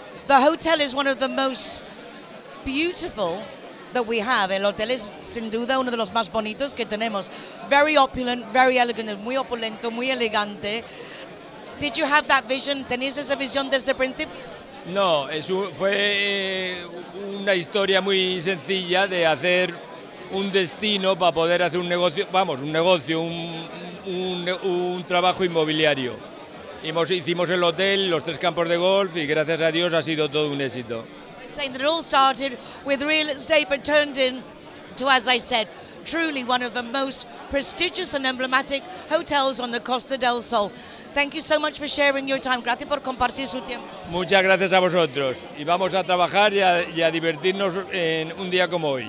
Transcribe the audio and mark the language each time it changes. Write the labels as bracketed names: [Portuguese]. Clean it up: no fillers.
[English] The hotel is one of the most beautiful that we have. [Spanish] El hotel es sin duda uno de los más bonitos que tenemos. [English] Very opulent, very elegant, [Spanish] muy opulento, muy elegante. [English] Did you have that vision? [Spanish] ¿Tenías esa visión desde el principio? No, fue una historia muy sencilla de hacer un destino para poder hacer un negocio, vamos, un negocio, un trabajo inmobiliario. Hicimos el hotel, los tres campos de golf y gracias a Dios ha sido todo un éxito. [English] Saying that it all started with real estate but turned into, as I said, truly one of the most prestigious and emblematic hotels on the Costa del Sol. Thank you so much for sharing your time. [Spanish] Gracias por compartir su tiempo. Muchas gracias a vosotros. Y vamos a trabajar y a divertirnos en un día como hoy.